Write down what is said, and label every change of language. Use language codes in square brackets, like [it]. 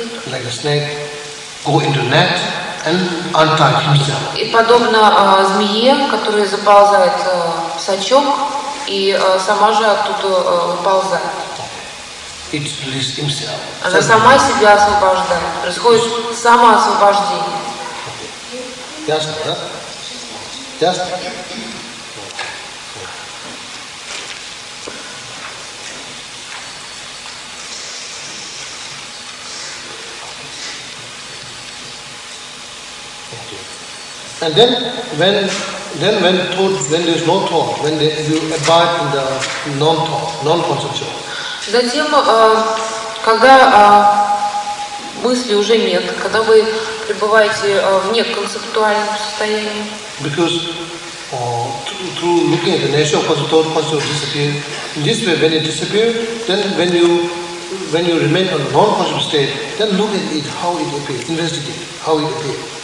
[en] Like a snake go into net and untie himself. [ru] И подобно змее, которая заползает в сачок, и сама же оттуда ползает. [en] It releases himself. [ru] Она сама себя освобождает. Происходит самоосвобождение. Ясно, да? Ясно? [en] And then when thought, when there's no thought, when you abide in the non-thought, non-concentration. [ru] Затем, когда мысли уже нет, когда вы пребываете в неконцептуальном состоянии. [en] Because through looking at the nature of concentration disappear. In this way, when it disappears, then when you remain in non-concentration state, then look at it, how it appears, investigate how it appears.